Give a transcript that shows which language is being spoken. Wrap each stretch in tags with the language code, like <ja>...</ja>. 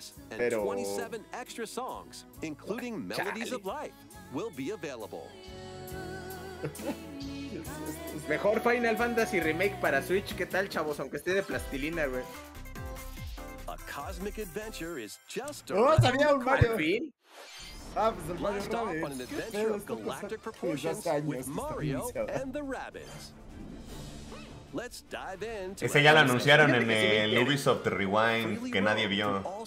<en>Pero 27 extra songs, including Melodies of Life, will be available.</en> <es>Mejor Final Fantasy Remake para Switch, ¿qué tal, chavos? Aunque esté de plastilina, güey.</es> <en>cosmic adventure is just around the corner. Oh,</en> <es>había un Mario.</es> <en>Last off on an adventure of galactic proportions with Mario and the rabbits. Let's dive in.</en> <es>Ese ya lo anunciaron en el Ubisoft Rewind que nadie vio.</es>